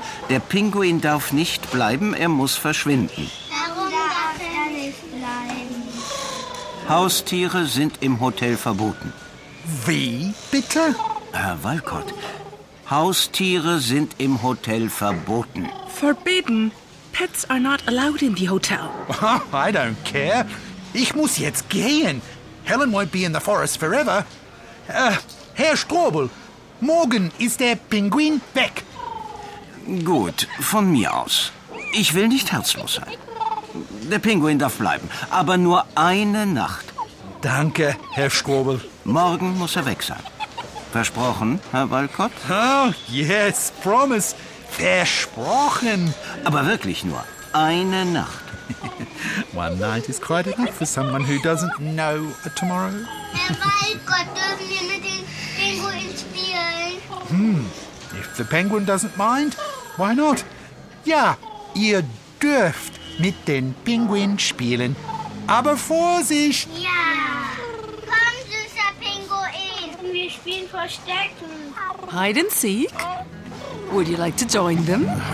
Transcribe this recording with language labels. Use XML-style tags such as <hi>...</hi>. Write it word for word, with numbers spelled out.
<de>Der Pinguin darf nicht bleiben, er muss verschwinden. Warum darf er nicht bleiben? Haustiere sind im Hotel verboten. Wie bitte? Herr Walcott, Haustiere sind im Hotel verboten.</de> <en>Forbidden. Pets are not allowed in the hotel. I don't care.</en> <de>Ich muss jetzt gehen.</de> <en>Helen won't be in the forest forever.</en> <de>Äh, Herr Strobel, morgen ist der Pinguin weg. Gut, von mir aus. Ich will nicht herzlos sein. Der Pinguin darf bleiben, aber nur eine Nacht. Danke, Herr Strobel. Morgen muss er weg sein. Versprochen, Herr Walcott?</de> <en>Oh, yes, promise.</en> <de>Versprochen. Aber wirklich nur eine Nacht.</de> <en>One night is quite enough for someone who doesn't know a tomorrow.</en> <de>Weil Gott dürfen wir mit den Pinguinen spielen.</de> <en>Hm, if the penguin doesn't mind, why not?</en> <de>Ja, ihr dürft mit den Pinguinen spielen. Aber Vorsicht! Ja! Komm, süßer Pinguin! Wir spielen Verstecken.</de> <en>Hide and seek? Would you like to join them?</en>